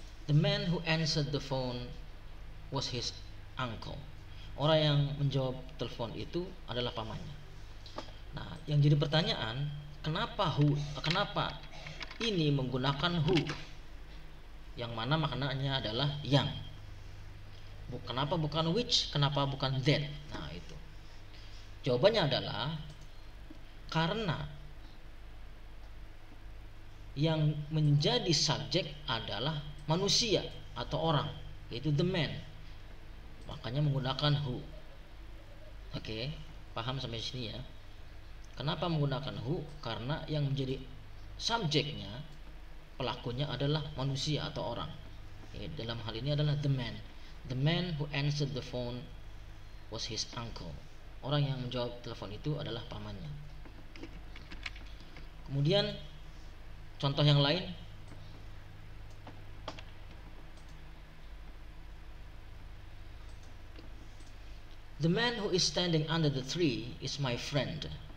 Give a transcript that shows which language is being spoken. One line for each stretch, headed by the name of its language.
English: The man who answered the phone was his uncle.
Indonesian: Orang yang menjawab telepon itu adalah pamannya. Nah, yang jadi pertanyaan, kenapa ini menggunakan who? Yang mana maknanya adalah yang. Kenapa bukan which? Kenapa bukan that? Nah, itu. Jawabannya adalah karena yang menjadi subjek adalah manusia atau orang, yaitu
English: the man.
Indonesian: Makanya menggunakan who. Oke, paham sampai sini ya. Kenapa menggunakan who? Karena yang menjadi subjeknya, pelakunya adalah manusia atau orang. Oke, dalam hal ini adalah
English: the man. The man who answered the phone was his uncle.
Indonesian: Orang yang menjawab telepon itu adalah pamannya. Kemudian contoh yang lain,
English: the man who is standing under the tree is my friend.